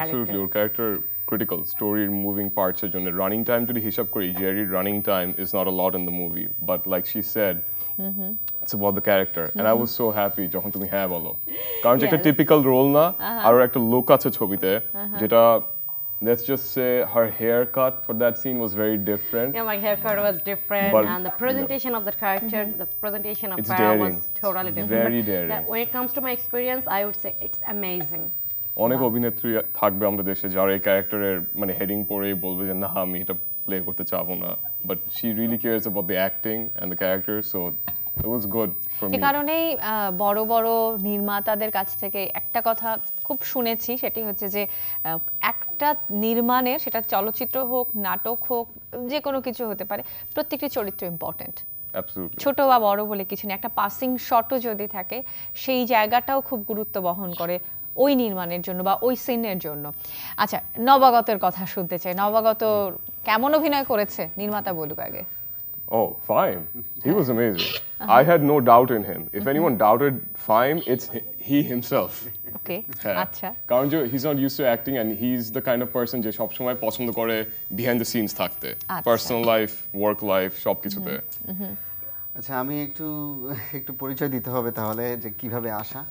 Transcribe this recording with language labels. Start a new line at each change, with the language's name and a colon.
English: Character, your character critical স্টোরির moving parts এর জন্য রানিং টাইম যদি হিসাব করি, Jerry running time is not a lot in the movie, but like she said, it's about the character, and I was so happy যখন তুমি হ্যাঁ বলো, কারণ যে একটা টিপিক্যাল রোল না, আর একটা লুক আছে ছবিতে যেটা, let's just say her haircut for that scene was very different. Yeah, my haircut was different, but, and the presentation of that character, the presentation of Farah was totally different. Very daring. When it comes to my experience, I would say it's amazing.
Bangla: অনেক অভিনেত্রী থাকবে আমাদের দেশে যারা এই ক্যারেক্টারের মানে heading পরেই বলবে যে না আমি এটা প্লে করতে চাবো না, but she really cares about the acting and the character, so it was good for me. এই কারণেই বড় বড় নির্মাতাদের কাছ থেকে একটা কথা খুব শুনেছি, সেটি হচ্ছে যে একটা নির্মাণের, সেটা চলচ্চিত্র হোক, নাটক হোক, যে কোনো কিছু হতে পারে, প্রত্যেকটি চরিত্র ইম্পর্ট্যান্ট, ছোট বা বড় বলে কিছু নেই, একটা পাসিং শটও যদি থাকে সেই জায়গাটাও খুব গুরুত্ব বহন করে ওই নির্মাণের জন্য বা ওই সিনের জন্য। আচ্ছা, নবাগতের কথা শুনতে চাই, নবাগত কেমন অভিনয় করেছে, নির্মাতা বলুক আগে।
English: Oh, fine. He was amazing. I had no doubt in him. If anyone doubted Fahim, it's he himself. Okay,
Bangla: acha.
English: He's not used to acting and he's the kind of person je shob shomoy pochondo kore behind the scenes thakte. Personal life, work life, shob kichu te.
Bangla: আচ্ছা আমি একটু একটু পরিচয় দিতে হবে তাহলে যে কিভাবে আসা